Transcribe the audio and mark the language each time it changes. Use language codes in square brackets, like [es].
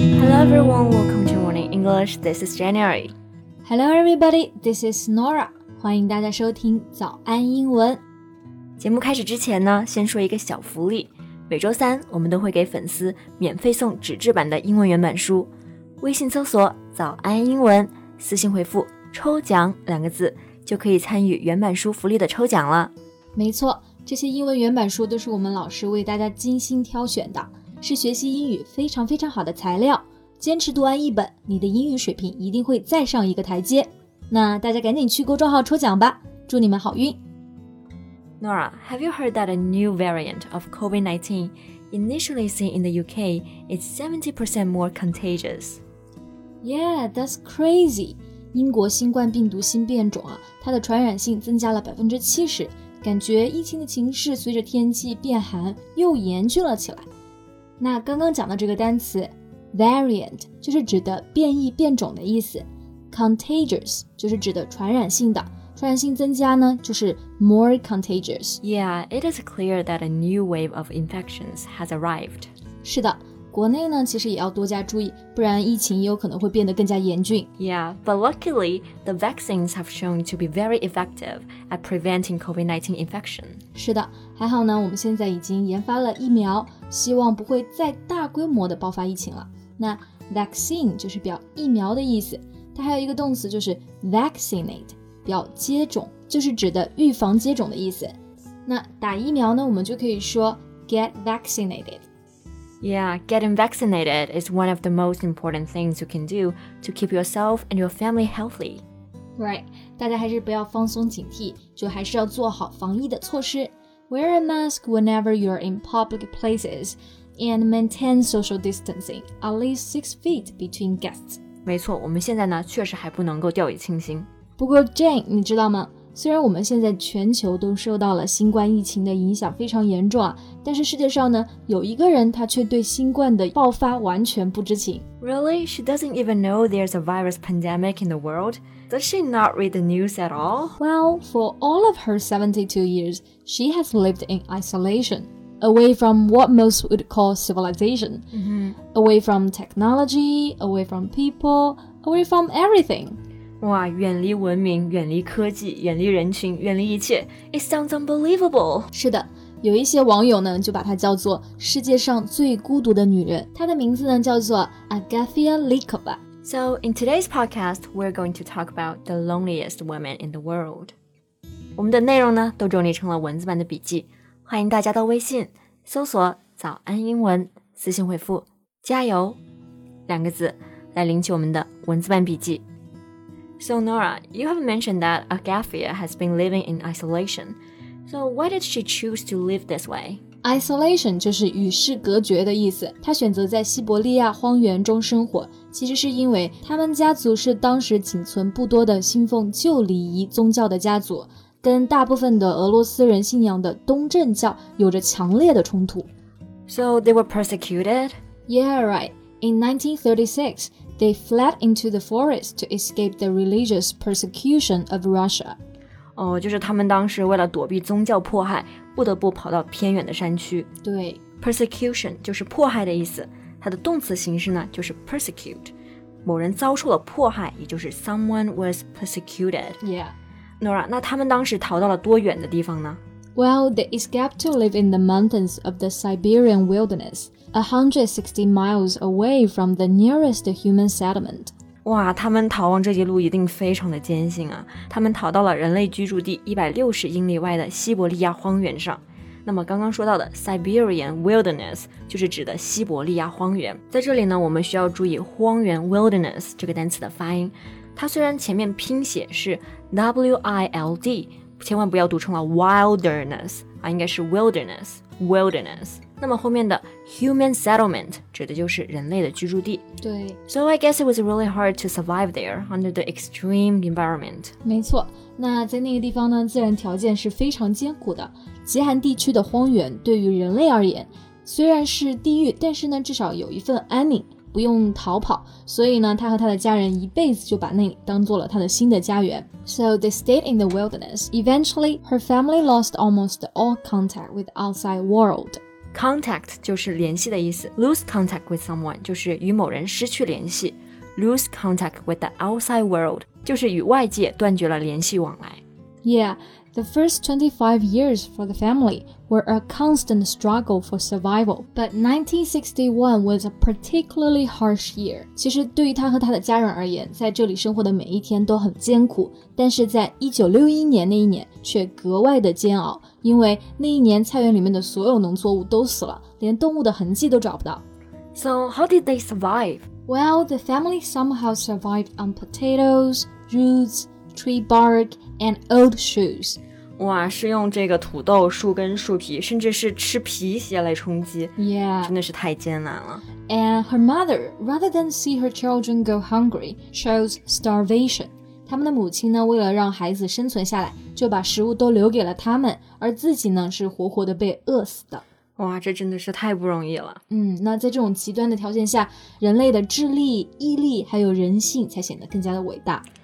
[en] everyone, welcome to Morning English. This is January. Hello everybody, this is Nora. [zh] 欢迎大家收听早安英文。节目开始之前呢，先说一个小福利。每周三我们都会给粉丝免费送纸质版的英文原版书。微信搜索早安英文，私信回复抽奖两个字，就可以参与原版书福利的抽奖了。没错，这些英文原版书都是我们老师为大家精心挑选的，是学习英语非常非常好的材料。坚持读完一本，你的英语水平一定会再上一个台阶。那大家赶紧去公众号抽奖吧，祝你们好运。 [en] Nora, have you heard that a new variant of COVID-19 initially seen in the UK is 70% more contagious? Yeah, that's crazy. [zh] 英国新冠病毒新变种啊，它的传染性增加了 70%, 感觉疫情的情势随着天气变寒又严峻了起来。那刚刚讲的这个单词 variant 就是指的变异变种的意思， contagious 就是指的传染性的，传染性增加呢就是 [en] more contagious. Yeah, it is clear that a new wave of infections has arrived. [zh] 是的，国内呢其实也要多加注意，不然疫情也有可能会变得更加严峻。 [en] Yeah, but luckily the vaccines have shown to be very effective at preventing COVID-19 infection. [zh] 是的，还好呢我们现在已经研发了疫苗，希望不会再大规模的爆发疫情了。那 vaccine 就是表疫苗的意思，它还有一个动词就是 vaccinate，表接种，就是指的预防接种的意思。那打疫苗呢，我们就可以说 [en] get vaccinated. Yeah, getting vaccinated is one of the most important things you can do to keep yourself and your family healthy. [zh] Right, 大家还是不要放松警惕，就还是要做好防疫的措施。 [en] Wear a mask whenever you're in public places and maintain social distancing at least 6 feet between guests. [zh] 没错，我们现在呢，确实还不能够掉以轻心。不过 Jane, 你知道吗？虽然我们现在全球都受到了新冠疫情的影响非常严重啊，但是世界上呢，有一个人他却对新冠的爆发完全不知情。 [en] Really? She doesn't even know there's a virus pandemic in the world? Does she not read the news at all? Well, for all of her 72 years, she has lived in isolation, away from what most would call civilization. Mm-hmm. Away from technology, away from people, away from everything. [zh] 哇，远离文明，远离科技，远离人群，远离一切。 [en] It sounds unbelievable. [zh] 是的，有一些网友呢，就把她叫做世界上最孤独的女人。她的名字呢，叫做 Agafia Likova. [en] So, in today's podcast, we're going to talk about the loneliest woman in the world. [zh] 我们的内容呢，都整理成了文字版的笔记。欢迎大家到微信搜索早安英文，私信回复加油两个字，来领取我们的文字版笔记。 [en] So Nora, you have mentioned that Agafia has been living in isolation. So why did she choose to live this way? [zh] Isolation 就是与世隔绝的意思。她选择在西伯利亚荒原中生活，其实是因为他们家族是当时仅存不多的信奉旧礼仪宗教的家族，跟大部分的俄罗斯人信仰的东正教有着强烈的冲突。 [en] So they were persecuted? Yeah, right. In 1936,They fled into the forest to escape the religious persecution of Russia. [zh] 哦，就是他们当时为了躲避宗教迫害，不得不跑到偏远的山区。对，persecution 就是迫害的意思，它的动词形式呢就是 persecute， 某人遭受了迫害，也就是 [en] someone was persecuted. Yeah. [zh] Nora, 那他们当时逃到了多远的地方呢？ [en] Well, they escaped to live in the mountains of the Siberian wilderness. 160 miles away from the nearest human settlement. [zh] 哇，他们逃亡这一路一定非常的艰辛啊！他们逃到了人类居住地160英里外的西伯利亚荒原上。那么刚刚说到的 [en] Siberian wilderness [zh] 就是指的西伯利亚荒原。在这里呢，我们需要注意荒原 wilderness 这个单词的发音。它虽然前面拼写是 W-I-L-D， 千万不要读成了 wilderness 啊，应该是 wilderness。Wilderness. 那么后面的 [en] human settlement [zh] 指的就是人类的居住地。对。 [en] So I guess it was really hard to survive there under the extreme environment. [zh] 没错，那在那个地方呢，自然条件是非常艰苦的。极寒地区的荒原对于人类而言，虽然是地狱，但是呢，至少有一份安宁，不用逃跑。所以呢，他和他的家人一辈子就把那里当做了他的新的家园。 [en] So they stayed in the wilderness. Eventually, her family lost almost all contact with the outside world. [zh] Contact 就是联系的意思。 [en] Lose contact with someone [zh] 就是与某人失去联系。 [en] Lose contact with the outside world [zh] 就是与外界断绝了联系往来。 [en] Yeah, the first 25 years for the family were a constant struggle for survival. But 1961 was a particularly harsh year. [zh] 其实对于他和他的家人而言，在这里生活的每一天都很艰苦，但是在1961年那一年却格外的煎熬，因为那一年菜园里面的所有农作物都死了，连动物的痕迹都找不到。 [en] So how did they survive? Well, the family somehow survived on potatoes, roots, tree bark,and old shoes. [zh] 哇，是用这个土豆、树根、树皮，甚至是吃皮鞋来充饥。 [en] Yeah. [zh] 真的是太艰难了。 [en] And her mother, rather than see her children go hungry, chose starvation. [zh] 他们的母亲呢，为了让孩子生存下来，就把食物都留给了他们，而自己呢，是活活的被饿死的。哇，这真的是太不容易了。那在这种极端的条件下，人类的智力、毅力还有人性才显得更加的伟大。